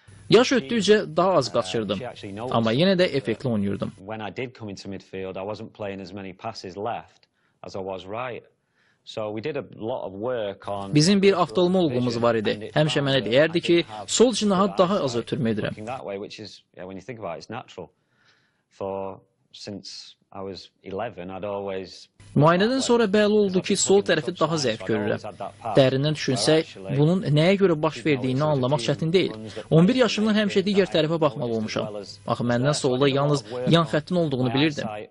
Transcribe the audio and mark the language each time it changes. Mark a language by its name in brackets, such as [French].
[Azerbaijani] Yaş ötdükcə daha az qaçırdım, amma yenə də effektli oynayırdım. [English] When I did come into midfield, I wasn't playing as many passes left as I was right. So we did a lot of work on. [Azerbaijani] Bizim bir oftalmoloqumuz var idi. Həmişə mənə deyərdi ki, sol cinaha daha az ötürmədirəm. [English] Which is, yeah, when you think about it, it's natural for since I was 11, I'd always. [Azerbaijani] Müayinədən sonra bəlli oldu ki, sol tərəfi daha zəif görürəm. Dərindən düşünsək, bunun nəyə görə baş verdiyini anlamaq çətin deyil. 11 yaşımdan həmişə digər tərəfə baxmalı olmuşam. Axı məndən solda yalnız yan xəttin olduğunu bilirdim.